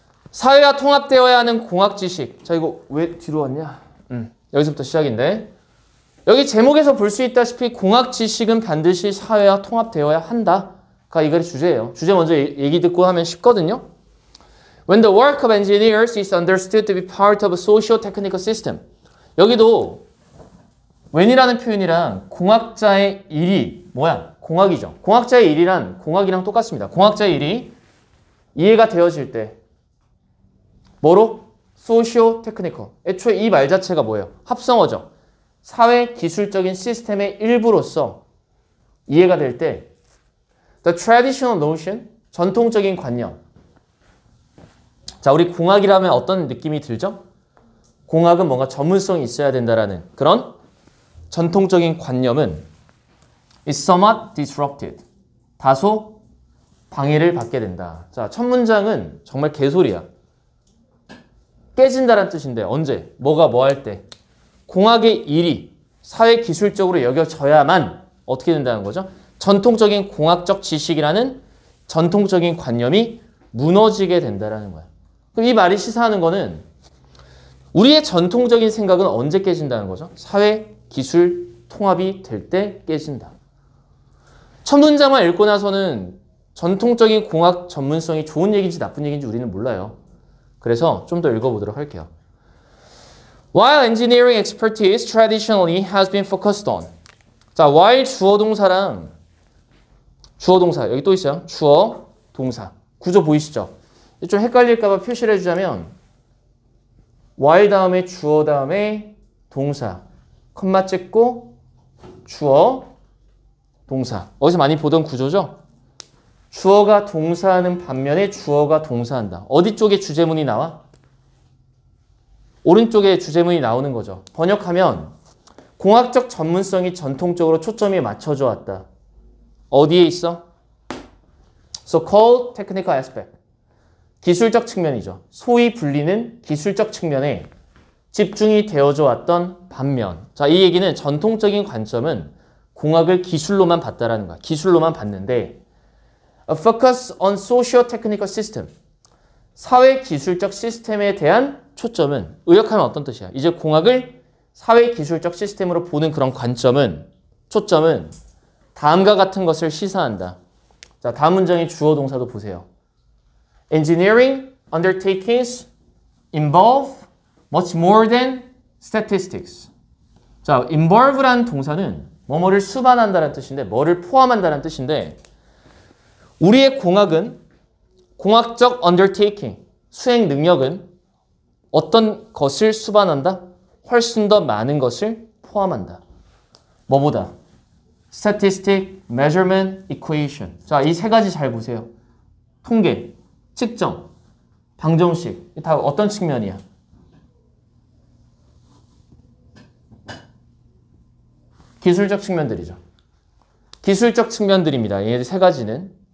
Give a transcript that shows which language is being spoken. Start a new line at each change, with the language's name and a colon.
Korean: 사회와 통합되어야 하는 공학 지식. 자, 이거 왜 뒤로 왔냐? 여기서부터 시작인데. 여기 제목에서 볼수 있다시피 공학 지식은 반드시 사회와 통합되어야 한다. 가 이거의 주제예요. 주제 먼저 얘기 듣고 하면 쉽거든요.
English: When the work of engineers is understood to be part of a socio-technical system.
Korean: 여기도 when이라는 표현이랑 공학자의 일이, 뭐야? 공학이죠. 공학자의 일이란 공학이랑 똑같습니다. 공학자의 일이 이해가 되어질 때. 뭐로? socio-technical. 애초에 이말 자체가 뭐예요? 합성어죠. 사회 기술적인 시스템의 일부로서 이해가 될 때.
English: The traditional notion,
Korean: 전통적인 관념. 자, 우리 공학이라면 어떤 느낌이 들죠? 공학은 뭔가 전문성이 있어야 된다라는 그런 전통적인 관념은
English: is somewhat disrupted.
Korean: 다소 방해를 받게 된다. 자, 첫 문장은 정말 개소리야. 깨진다란 뜻인데, 언제? 뭐가 뭐할 때? 공학의 일이 사회 기술적으로 여겨져야만 어떻게 된다는 거죠? 전통적인 공학적 지식이라는 전통적인 관념이 무너지게 된다라는 거야. 이 말이 시사하는 거는 우리의 전통적인 생각은 언제 깨진다는 거죠? 사회, 기술, 통합이 될때 깨진다. 첫 문장만 읽고 나서는 전통적인 공학 전문성이 좋은 얘기인지 나쁜 얘기인지 우리는 몰라요. 그래서 좀더 읽어보도록 할게요.
English: While engineering expertise traditionally has been focused on.
Korean: 자, while 주어동사랑 주어동사, 여기 또 있어요. 주어, 동사. 구조 보이시죠? 좀 헷갈릴까봐 표시를 해주자면, while 다음에 주어 다음에 동사, 콤마 찍고 주어, 동사. 어디서 많이 보던 구조죠? 주어가 동사하는 반면에 주어가 동사한다. 어디 쪽에 주제문이 나와? 오른쪽에 주제문이 나오는 거죠. 번역하면, 공학적 전문성이 전통적으로 초점이 맞춰져 왔다. 어디에 있어?
English: So-called technical aspect.
Korean: 기술적 측면이죠. 소위 불리는 기술적 측면에 집중이 되어져 왔던 반면. 자, 이 얘기는 전통적인 관점은 공학을 기술로만 봤다라는 거야. 기술로만 봤는데,
English: A focus on socio-technical system.
Korean: 사회 기술적 시스템에 대한 초점은, 의역하면 어떤 뜻이야? 이제 공학을 사회 기술적 시스템으로 보는 그런 관점은, 초점은 다음과 같은 것을 시사한다. 자, 다음 문장의 주어 동사도 보세요.
English: Engineering undertakings involve much more than statistics.
Korean: 자, involve라는 동사는 뭐뭐를 수반한다는 뜻인데, 뭐를 포함한다는 뜻인데, 우리의 공학은 공학적 undertaking, 수행 능력은 어떤 것을 수반한다? 훨씬 더 많은 것을 포함한다. 뭐보다?
English: statistic, measurement, equation.
Korean: 자, 이세 가지 잘 보세요. 통계. 측정, 방정식, 이게 다 어떤 측면이야? 기술적 측면들이죠. 기술적 측면들입니다. 이세 가지는.